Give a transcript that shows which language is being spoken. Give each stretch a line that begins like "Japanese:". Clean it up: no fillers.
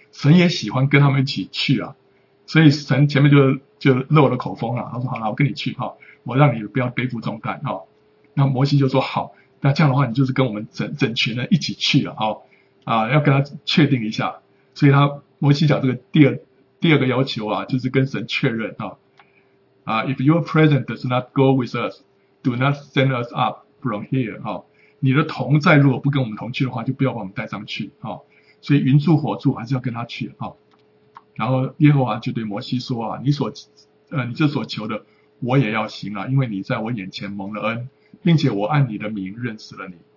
Chinese: 神也喜欢跟他们一起去啊，所以神前面就漏了口风了，他说好了，我跟你去哈，我让你不要背负重担哈。那摩西就说好，那这样的话你就是跟我们整群人一起去了哈。要跟他确定一下，所以他摩西讲这个第二个要求啊，就是跟神确认啊。
English: If your presence does not go with us, do not send us up from here.
Chinese: 啊，你的同在如果不跟我们同去的话，就不要把我们带上去啊。所以云柱火柱还是要跟他去啊。然后耶和华就对摩西说啊，你这所求的我也要行啊，因为你在我眼前蒙了恩，并且我按你的名认识了你。